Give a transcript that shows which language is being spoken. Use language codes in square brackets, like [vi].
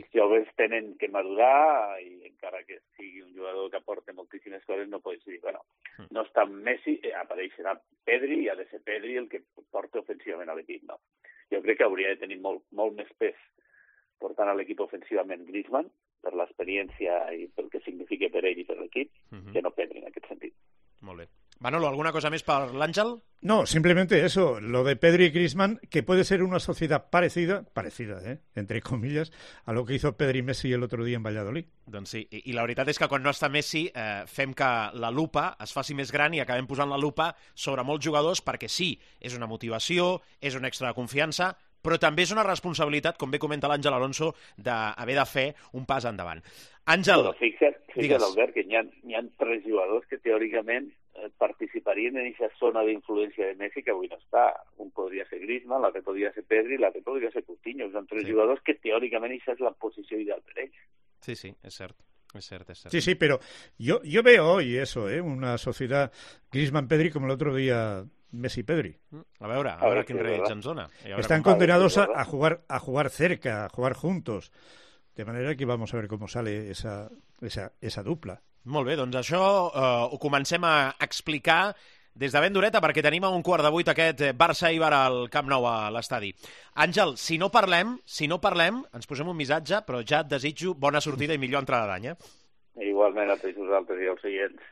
[ca] Els joves tenen que madurar i encara que sigui un jugador que aporta moltíssimes coses, no pots dir, bueno, no està en Messi, apareixerà Pedri i ha de ser Pedri el que porta ofensivament a l'equip, no. Jo crec que hauria de tenir molt més pes portant a l'equip ofensivament Griezmann per l'experiència i pel que significa per ell i per l'equip, que no Pedri en aquest sentit. Molt bé. [es] Manolo, ¿alguna cosa más para l'Àngel? No, simplemente eso, lo de Pedri y Griezmann, que puede ser una sociedad parecida, entre comillas, a lo que hizo Pedri y Messi el otro día en Valladolid. [ca] Doncs sí, i la veritat és que quan no està Messi fem que la lupa es faci més gran i acabem posant la lupa sobre molts jugadors perquè sí, és una motivació, és un extra de confiança, però també és una responsabilitat, com bé comenta l'Àngel Alonso, d'haver de fer un pas endavant. Àngel, però fixa't, Albert, que hi ha tres jugadors que teòricament participarien en aquesta zona d'influència de Messi que avui no està. Un podria ser Griezmann, l'altre podria ser Pedri, l'altre podria ser Coutinho. Són tres jugadors que teòricament aquesta és la posició ideal per ells. Sí, és cert. [es] Es cierto. Sí, pero yo veo hoy eso, una sociedad Griezmann-Pedri como el otro día Messi-Pedri. A ver quién reyes en zona. Están condenados a jugar cerca, a jugar juntos. De manera que vamos a ver cómo sale esa dupla. [ca] Molt bé, doncs això ho comencem a explicar des de ben dureta, perquè tenim a un quart de vuit aquest Barça-Ibar al Camp Nou a l'estadi. Àngel, si no parlem, ens posem un missatge, però ja et desitjo bona sortida i millor entrada d'any. Igualment, a tots vosaltres i als seients.